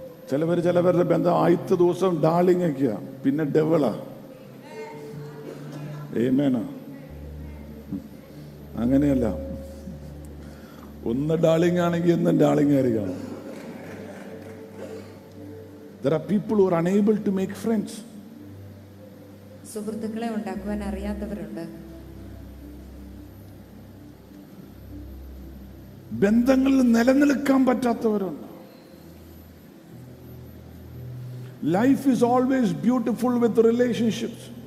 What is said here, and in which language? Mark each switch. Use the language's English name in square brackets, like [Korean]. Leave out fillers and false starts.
[Malayalam] ചിലവർ ചിലവരുടെ ബന്ധം ആദ്യത്തെ ദിവസം ഡാർലിംഗ് ഒക്കെയാ, പിന്നെ ഡെവളാ. ആമേനാ. അങ്ങനെയല്ല, ഒന്ന് ഡാർലിംഗ് ആണെങ്കിൽ ഒന്ന് ഡാർലിംഗ് ആയിരിക്കണം. [English] There are people who are unable to make friends. [Malayalam] സുഹൃത്തുക്കളെ ഉണ്ടാക്കുവാൻ അറിയാത്തവരുണ്ട്. ബന്ധങ്ങളിൽ നിലനിൽക്കാൻ പറ്റാത്തവരുണ്ട്. [English] Life is always beautiful with relationships.